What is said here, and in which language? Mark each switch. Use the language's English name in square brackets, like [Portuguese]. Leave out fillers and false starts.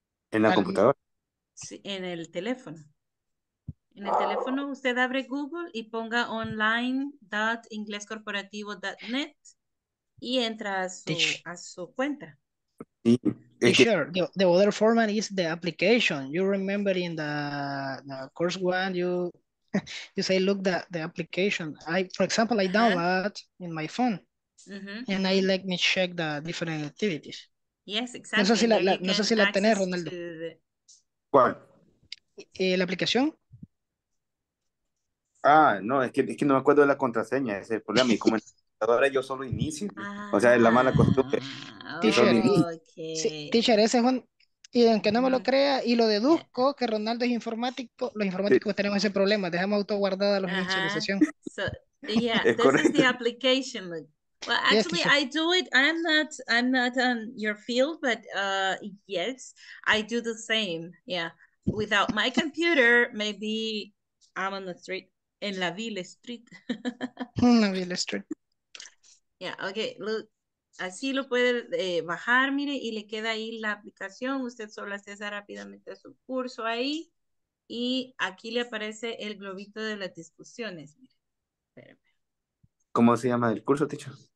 [Spanish] ¿En la computadora? Sí, en el teléfono. En el teléfono usted abre Google y ponga online.inglescorporativo.net y entra a su cuenta. [English] Teacher, the other format is the application. You remember in the course one, you say look the application. For example, I download in my phone. Mm-hmm. And I let me check the different activities. Yes, exactly. [Spanish] No sé si la tenés, Ronaldo. ¿Cuál? La aplicación. Ah, no, es que no me acuerdo de la contraseña, ese es el problema. Y como en la computadora yo solo inicio, o sea, es la mala costumbre. [English] Teacher, teacher, [Spanish] ese es un... Y aunque no me lo crea, y lo deduzco, que Ronaldo es informático, los informáticos sí tenemos ese problema, dejamos autoguardada la inicialización. [English] Yeah, this is the application. Well, actually, yes, I do it. I'm not on your field, but yes, I do the same. Yeah, without my computer, maybe I'm on the street. [Spanish] En la Ville Street. La Ville Street. [English] Yeah, okay. [Spanish] Look, así lo puede bajar, mire, y le queda ahí la aplicación. Usted solo accesa rápidamente a su curso ahí. Y aquí le aparece el globito de las discusiones. Mire. ¿Cómo se llama el curso, Ticho?